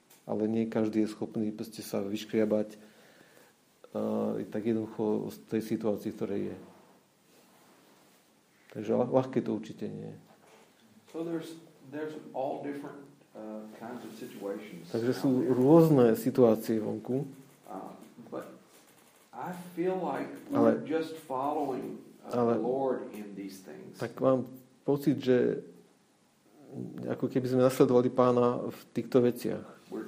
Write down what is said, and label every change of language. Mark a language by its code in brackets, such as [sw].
[sk] Ale nie každý je schopný proste sa vyškriabať tak jednoducho z tej situácii, ktorej je. Takže ľahké to určite nie. [en] So there's all different kinds of situations. [sk] Takže sú rôzne situácie vonku. [en] But I feel like we're just following the Lord in these things. [sk] Tak mám pocit, že ako keby sme nasledovali Pána v týchto veciach.